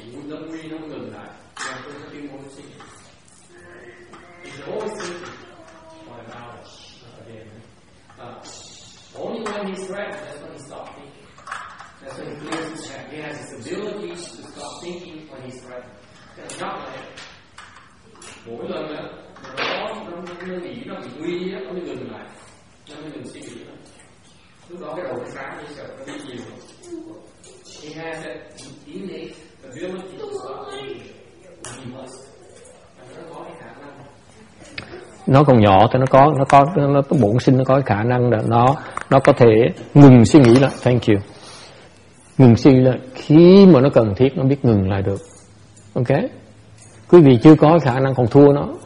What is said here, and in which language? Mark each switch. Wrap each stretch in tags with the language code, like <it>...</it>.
<en>You don't really know that. You have to think more to see. He's always thinking. What about it? Not again. Only when he's threatened, that's when he starts thinking. That's when he clears his head. He has his ability to stop thinking when he's threatened. Not like it.</en> <vi>Mỗi lần á, nó nó nghĩ nó bị nguy á, nó mới ngừng lại. Nó mới ngừng suy nghĩ á. Lúc đó cái đầu nó sáng, nó sợ, nó đi nhiều.</vi> <en>He has that innate ability to stop thinking when he must.</en> <vi>Nó còn nhỏ thì nó bổn sinh nó có cái khả năng đó, nó có thể ngừng suy nghĩ lại.</vi> <en>Thank you.</en> <vi>Ngừng suy là khi mà nó cần thiết, nó biết ngừng lại được. Ok? Quý vị chưa có khả năng còn thua nó.</vi>